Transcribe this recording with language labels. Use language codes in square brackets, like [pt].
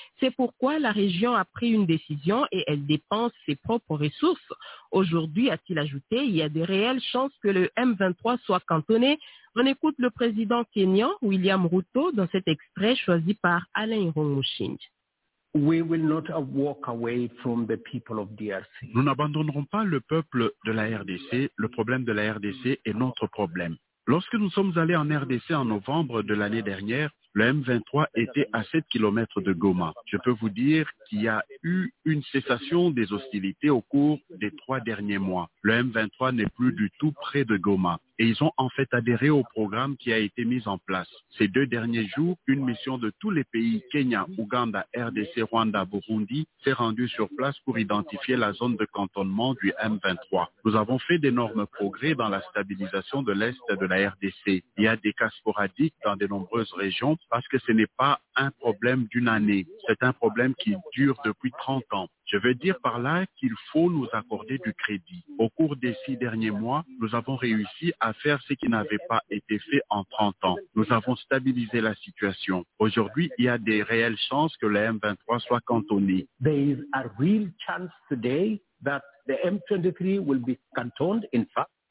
[fr] C'est pourquoi la région a pris une décision et elle dépense ses propres ressources. Aujourd'hui, a-t-il ajouté, il y a de réelles chances que le M23 soit cantonné. On écoute le président kényan William Ruto dans cet extrait choisi par Alain Rongouchinj. [en] We will not walk away from the people of DRC. [fr] Nous n'abandonnerons pas le peuple de la RDC. Le problème de la RDC est notre problème. Lorsque nous sommes allés en RDC en novembre de l'année dernière, le M23 était à 7 km de Goma. Je peux vous dire qu'il y a eu une cessation des hostilités au cours des trois derniers mois. Le M23 n'est plus du tout près de Goma. Et ils ont en fait adhéré au programme qui a été mis en place. Ces deux derniers jours, une mission de tous les pays, Kenya, Ouganda, RDC, Rwanda, Burundi, s'est rendue sur place pour identifier la zone de cantonnement du M23. Nous avons fait d'énormes progrès dans la stabilisation de l'Est de la RDC. Il y a des cas sporadiques dans de nombreuses régions parce que ce n'est pas un problème d'une année. C'est un problème qui dure depuis 30 ans. Je veux dire par là qu'il faut nous accorder du crédit. Au cours des 6 derniers mois, nous avons réussi à faire ce qui n'avait pas été fait en 30 ans. Nous avons stabilisé la situation. Aujourd'hui, il y a des réelles chances que le M23 soit cantonné. [en] There is a real chance today that the M23 will be cantoned, in fact.